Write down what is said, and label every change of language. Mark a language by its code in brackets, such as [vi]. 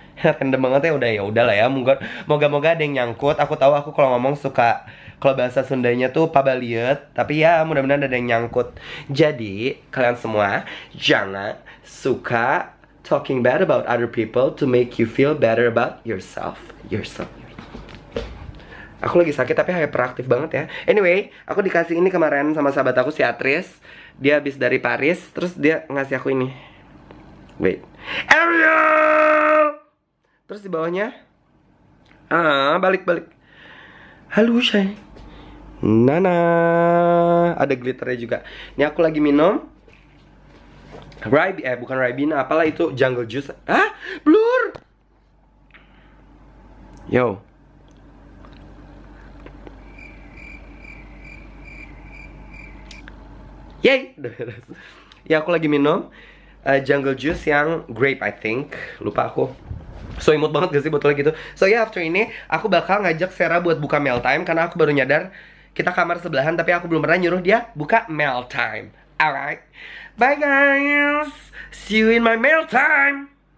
[id] Random banget ya, udahlah ya. Moga-moga ada yang nyangkut. Aku tahu aku kalau ngomong suka, kalau bahasa Sundanya tuh pabaliet, tapi ya mudah-mudahan ada yang nyangkut. Jadi kalian semua jangan suka [en] talking bad about other people to make you feel better about yourself. [id] Aku lagi sakit tapi hyperaktif banget ya. Anyway, aku dikasih ini kemarin sama sahabat aku si Atris. Dia habis dari Paris, terus dia ngasih aku ini. [en] Wait, [id] Ariel. Terus di bawahnya, balik-balik. Halo, Shay. Nana. Ada glitternya juga. Ini aku lagi minum bukan Ribena, apalah itu, jungle juice. Blur. Yo. Yay. Ya aku lagi minum jungle juice yang grape, [en] I think. [id] Lupa aku. So imut banget gak sih botolnya gitu. [en] So yeah, after [id] ini aku bakal ngajak Sarah buat buka mail time, karena aku baru nyadar kita kamar sebelahan, tapi aku belum pernah nyuruh dia buka mail time. [en] Alright, bye guys, see you in my mail time.